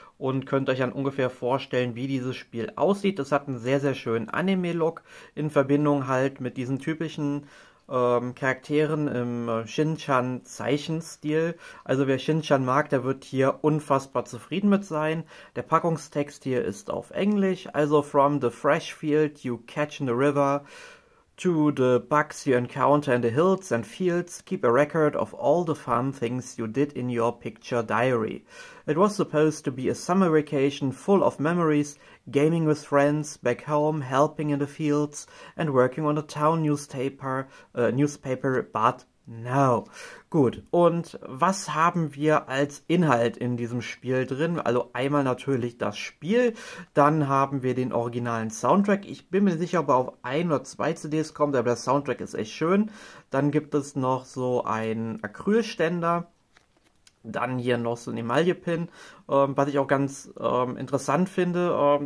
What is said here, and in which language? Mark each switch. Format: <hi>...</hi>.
<de>Und könnt euch dann ungefähr vorstellen, wie dieses Spiel aussieht. Es hat einen sehr, sehr schönen Anime-Look in Verbindung halt mit diesen typischen Charakteren im Shin-Chan-Zeichenstil. Also wer Shin-Chan mag, der wird hier unfassbar zufrieden mit sein. Der Packungstext hier ist auf Englisch.</de> <en>Also from the fresh field you catch in the river to the bugs you encounter in the hills and fields, keep a record of all the fun things you did in your picture diary. It was supposed to be a summer vacation full of memories, gaming with friends, back home, helping in the fields, and working on a town newspaper, but no.</en> <de>Gut, und was haben wir als Inhalt in diesem Spiel drin? Also einmal natürlich das Spiel, dann haben wir den originalen Soundtrack. Ich bin mir sicher, ob er auf ein oder zwei CDs kommt, aber der Soundtrack ist echt schön. Dann gibt es noch so einen Acrylständer, dann hier noch so ein Emaille-Pin, was ich auch ganz interessant finde.</de>